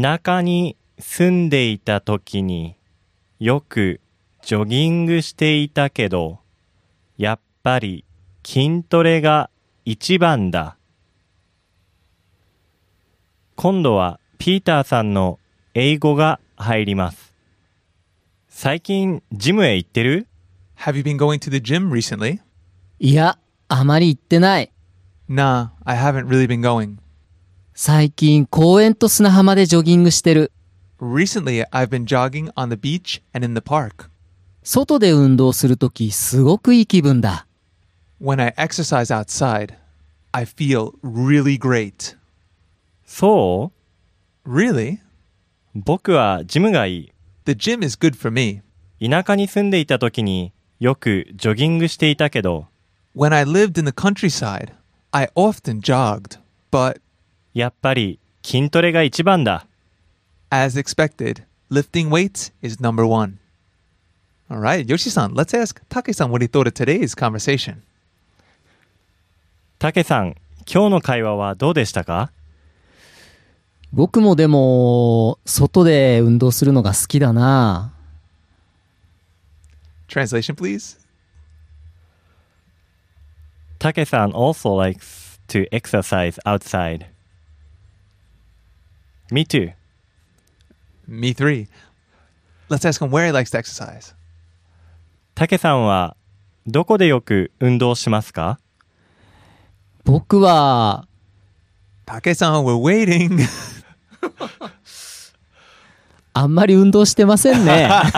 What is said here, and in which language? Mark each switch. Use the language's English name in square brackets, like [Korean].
[Japanese] 田舎に住んでいたときによくジョギングしていたけど、やっぱり筋トレが一番だ。今度はピーターさんの英語が入ります。最近ジムへ行ってる? [English] Have you been going to the gym recently? [Japanese] いや、あまり行ってない。 [English] Nah, I haven't really been going. [Japanese] 最近公園と砂浜でジョギングしてる。 [English] Recently, I've been jogging on the beach and in the park. [Japanese] 外で運動するときすごくいい気分だ。 [English] When I exercise outside, I feel really great. [Japanese] そう? [English] Really? [Japanese] 僕はジムがいい。 [English] The gym is good for me. [Japanese] 田舎に住んでいた時によくジョギングしていたけど。 [English] When I lived in the countryside, I often jogged, but... [Japanese] やっぱり筋トレが一番だ。 [English] As expected, lifting weights is number one. Alright, Yoshi-san, let's ask Take-san what he thought of today's conversation. [Japanese] Take-san, 今日の会話はどうでしたか? 僕もでも外で運動するのが好きだな。 [English] Translation please. Take-san also likes to exercise outside. Me too. Me three. Let's ask him where he likes to exercise. [Japanese] Take-san はどこでよく運動しますか? 僕は [English] Take-san, we're waiting. [Japanese] あんまり運動してませんね。